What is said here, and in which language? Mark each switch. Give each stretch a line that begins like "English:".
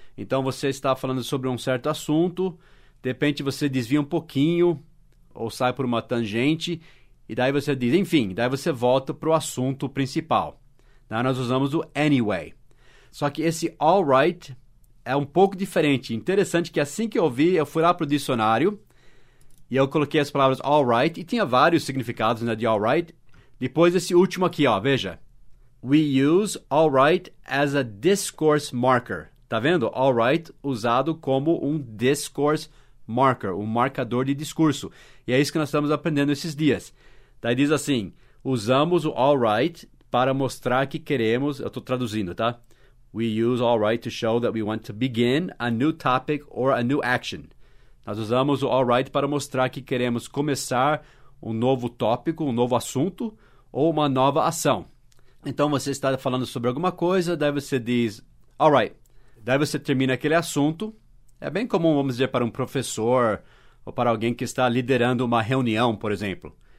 Portuguese: Então, você está falando sobre um certo assunto, de repente você desvia um pouquinho ou sai por uma tangente, e daí você diz, enfim, daí você volta para o assunto principal. Daí nós usamos o anyway. Só que esse all right é um pouco diferente. Interessante que assim que eu vi, eu fui lá para o dicionário e eu coloquei as palavras all right e tinha vários significados, né, de all right. Depois esse último aqui, ó, veja.
English: We use all right as a discourse marker.
Portuguese: Tá vendo? All right usado como um discourse marker, um marcador de discurso. E é isso que nós estamos aprendendo esses dias. Daí diz assim, usamos o all right para mostrar que queremos, eu estou traduzindo, tá?
English: We use all right to show that we want to begin a new topic or a new action.
Portuguese: Nós usamos o all right para mostrar que queremos começar um novo tópico, um novo assunto ou uma nova ação. Então, você está falando sobre alguma coisa, daí você diz, all right. Daí você termina aquele assunto. É bem comum, vamos dizer, para um professor ou para alguém que está liderando uma reunião, por exemplo.